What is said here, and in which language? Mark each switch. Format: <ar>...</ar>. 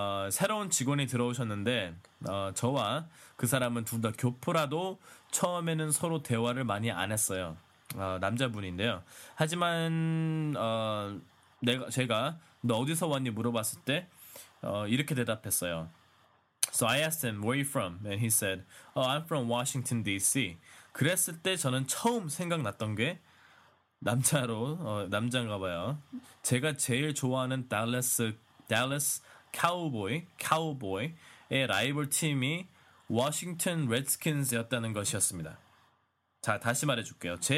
<ko>새로운 직원이 들어오셨는데 저와 그 사람은 둘 다 교포라도 처음에는 서로 대화를 많이 안 했어요. 남자분인데요. 하지만 제가 너 어디서 왔니 물어봤을 때 이렇게 대답했어요.</ko> <en>So I asked him, where are you from? And he said, oh, I'm from Washington, D.C.</en> <ko>그랬을 때 저는 처음 생각났던 게 남자인가 봐요. 제가 제일 좋아하는 달라스 카우보이의 라이벌 팀이 워싱턴 레드스킨스였다는 것이었습니다. 자, 다시 말해줄게요.</ko>